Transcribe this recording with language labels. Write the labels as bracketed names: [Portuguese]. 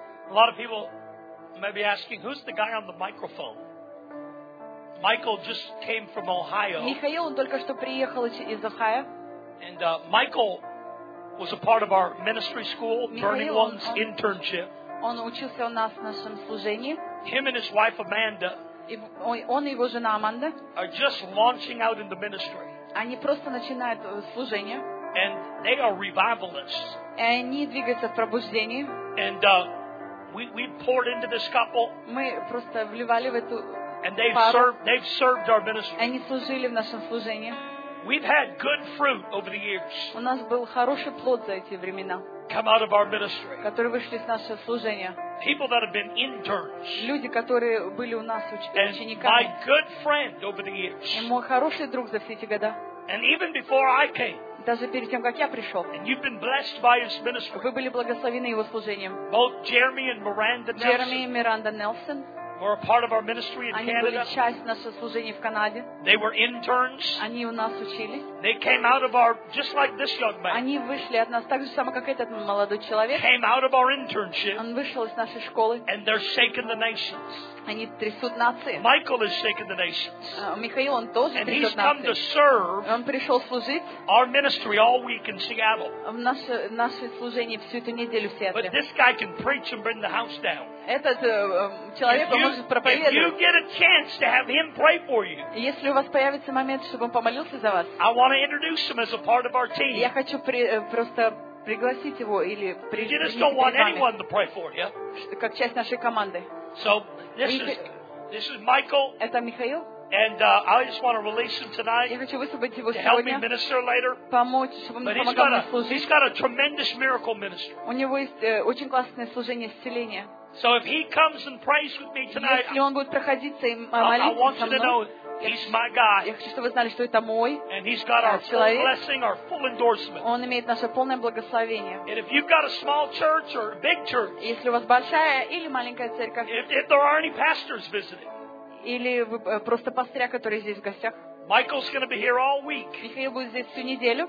[English] A lot of people may be asking, who's the guy on the microphone? Michael just came from Ohio. [Russian] Михаил, он только что приехал из Охайо. [English] And Michael was a part of our ministry school, Burning Ones internship. [Russian] Он учился у нас в нашем служении. [English] Him and his wife Amanda. [Russian] Он и его жена Аманда. [English] Are just launching out in the ministry. [Russian] Они просто начинают служение. [English] And they are revivalists. [Russian] Они двигаются в пробуждении. [English] And we poured into this couple. [Russian] Мы просто вливали в эту. [English] And they've served our ministry. [Russian] Они служили в нашем служении. [English] We've had good fruit over the years. [Russian] У нас был хороший плод за эти времена. [English] Come out of our ministry. [Russian] Которые вышли из нашего служения. [English] People that have been interns. [Russian] Люди, которые были у нас учениками. [English] And my good friend over the years. [Russian] И мой хороший друг за все эти года. [English] And even before I came. [Russian] Даже перед тем, как я пришел. [English] And you've been blessed by his ministry. [Russian] Вы были благословены его служением. [English] Both Jeremy and Miranda Nelson. [Russian] Jeremy и Миранда Нелсон. [English] Were a part of our ministry in Canada. [Russian] Они были часть нашего служения в Канаде. [English] They were interns. [Russian] Они у нас учились. [English] They came out of our just like this young man. [Russian] Они вышли от нас так же само, как этот молодой человек. [English] Came out of our internship. [Russian] Он вышел из нашей школы. [English] And they're shaking the nations. [Russian] Они трясут нации. [English] Michael is shaking the nations. [Russian] Михаил, он тоже [English] and [Russian] трясет [English] he's come [Russian] нации. [English] To serve. [Russian] Он пришел служить. [English] Our ministry all week in Seattle. [Russian] В наше служение всю эту неделю в Сиэтле. [English] But this guy can preach and bring the house down. [Russian] Этот человек может проповедовать. [English] If you get a chance to have him pray for you. [Russian] Если у вас появится момент, чтобы он помолился за вас. [English] I want to introduce him as a part of our team. [Russian] Я хочу просто пригласить его или [English] you just don't want anyone to pray for you. [Russian] Как часть нашей команды. [English] So this is Michael. [Russian] Это Михаил. [English] And I just want to release him tonight. To help me minister later. [Russian] Помочь, чтобы он помогал мне служить. [English] But he's got a tremendous miracle ministry. [Russian] У него есть очень классное служение исцеления. [English] So if he comes and prays with me tonight, [Russian] если он будет проходиться и молиться со мной, [English] I want you to know he's my guy. [Russian] Я хочу, чтобы вы знали, что это мой. [English] And he's got our full blessing, our full endorsement. [Russian] Он имеет наше полное благословение. [English] And if you've got a small church or a big church, [Russian] если у вас большая или маленькая церковь, [English] if there are any pastors visiting, [Russian] или вы просто пастыря, который здесь в гостях. [English] Michael's going to be here all week. [Russian] Михаил будет здесь всю неделю.